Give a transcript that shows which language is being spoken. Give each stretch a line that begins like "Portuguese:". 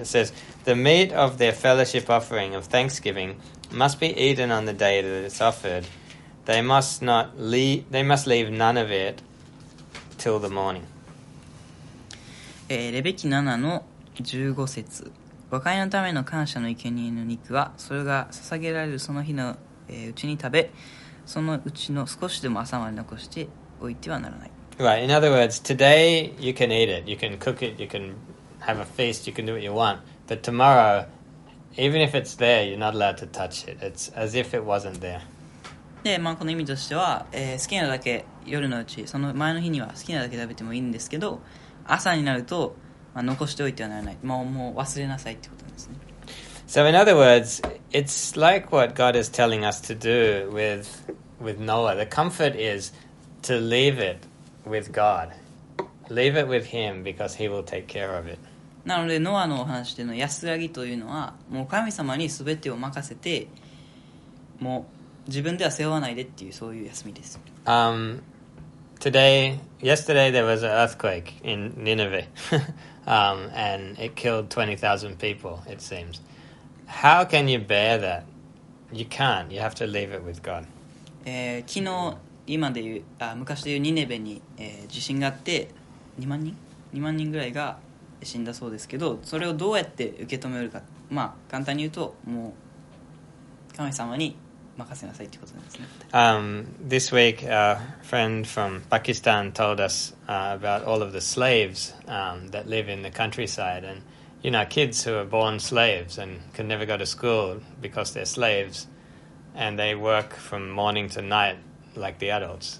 English: It says, the meat of their fellowship offering of thanksgiving must be eaten on the day that it's offered. They must leave none of it till the morning.
Japanese: レビ記7:15節。和解のための感謝の生贄の肉はそれが捧げられるその日の、うちに食べそのうちの少しでも朝まで残しておいてはならない。
English: Right, in other words, today you can eat it, you can cook it, you can have a feast, you can do what you want, but tomorrow, even if it's there, you're not allowed to touch it. It's as if it wasn't there.
Japanese: で、まあこの意味としては、好きなだけ夜のうちその前の日には好きなだけ食べてもいいんですけど朝になるとまあ、残しておいてはならない。まあ、もう忘れなさいってことですね。
English: So in other words, it's like what God is telling us to do with Noah. The comfort is to leave it with God. Leave it with him because he will take care of it.
Japanese: なので、ノアのお話での安らぎというのは、もう神様に全てを任せて、もう自分では背負わないでっていうそういう休みです。
English: Yesterday there was an earthquake in Nineveh. and it killed 20,000 people, it seems. How can you bear that? You can't. You have to leave it with God.
Japanese: 昨日、今で言う、昔で言うニネベに、地震があって2万人ぐらいが死んだそうですけど、それをどうやって受け止めるか。まあ、簡単に言うと、もう神様に任せなさいってことなんですね。
English: This week, a friend from Pakistan told us about all of the slaves that live in the countryside. And, you know, kids who are born slaves and can never go to school because they're slaves. And they work from morning to night like the adults.